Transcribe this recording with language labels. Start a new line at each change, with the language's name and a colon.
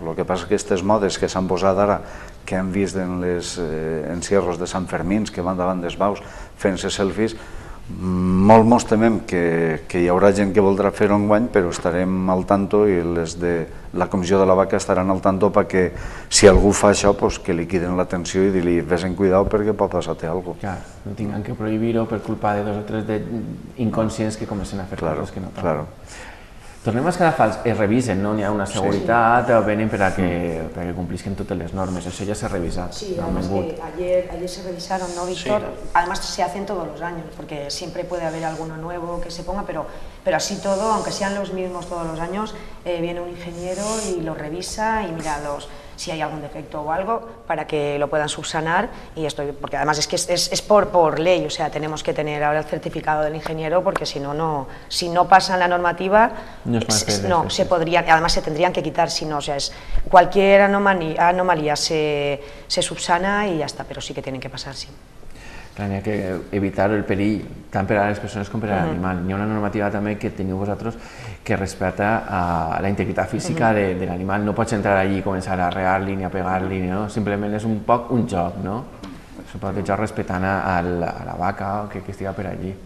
Catalan: El que passa és que aquestes modes que s'han posat ara, que hem vist en els encierros de Sant Fermín, que van davant dels baus fent-se selfies, molt temem que hi haurà gent que voldrà fer-ho en guany, però estarem al tanto i les de la Comissió de la Vaca estaran al tanto perquè si algú fa això, pues, que li quiden l'atenció i dir-li vés en cuidado perquè pot passar-te alguna cosa. Clar, no tinguem que prohibir-ho per culpa de dos o tres inconscients que comencen a fer
Spanish: claro,
Catalan: coses que no toquen. Claro. Tornem a escarafalls, es revisen, no? N'hi ha una seguretat, sí, sí, venen perquè complisquen totes les normes, això ja s'ha revisat.
Spanish: Sí, no, además que ayer se revisaron, ¿no, Víctor? Sí. Además se hacen todos los años, porque siempre puede haber alguno nuevo que se ponga, pero así todo, aunque sean los mismos todos los años, viene un ingeniero y lo revisa y mira si hay algún defecto o algo, para que lo puedan subsanar, y esto, porque además es que es por ley, o sea, tenemos que tener ahora el certificado del ingeniero, porque si no, si no pasan la normativa, no se podría, además se tendrían que quitar, si no, o sea, es cualquier anomalía se subsana y ya está, pero sí que tienen que pasar, sí.
Catalan: Clar, n'hi ha que evitar el perill tant per a les persones com per a l'animal. N'hi ha una normativa també que teniu vosaltres que respecta a la integritat física de l'animal. No pots entrar allí i començar a rear-li ni a pegar-li, no? Simplement és un poc un joc, no? És un poc de joc respectant a la vaca que estigui per allí.